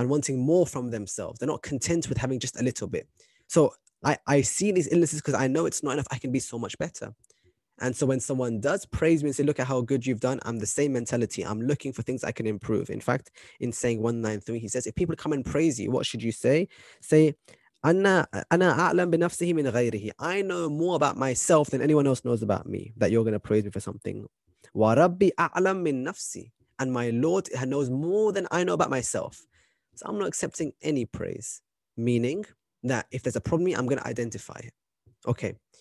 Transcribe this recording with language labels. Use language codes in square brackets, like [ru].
[en] And wanting more from themselves. They're not content with having just a little bit. So I see these illnesses because I know it's not enough. I can be so much better. And so when someone does praise me and say, look at how good you've done, I'm the same mentality. I'm looking for things I can improve. In fact, in saying 193, he says, if people come and praise you, what should you say? Say, [ar] أنا أعلم بنفسه من غيره. [en] I know more about myself than anyone else knows about me, that you're going to praise me for something. [ar] وربي أعلم من نفسي. [en] And my Lord knows more than I know about myself. So I'm not accepting any praise, meaning that if there's a problem with me, I'm going to identify it. Okay.